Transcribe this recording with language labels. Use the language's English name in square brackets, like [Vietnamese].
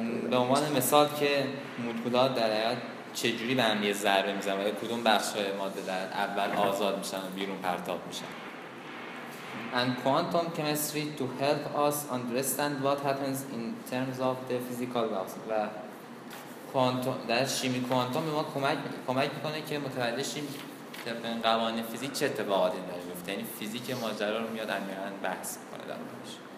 [Persian] به عنوان مثال که مولکول‌ها در حیات چجوری به هم یه ضربه میزن و کدوم بخش های ماده در اول آزاد میشن و بیرون پرتاب میشن. [English] And quantum chemistry to help us understand what happens in terms of the physical laws. [Persian] و quantum در شیمی کوانتوم به ما کمک میکنه که متوجه شیم طبق قوانین فیزیک چه اتفاقاتی داره میفته. یعنی فیزیک ماجرا رو میاد عمیقا بحث میکنه در موردش.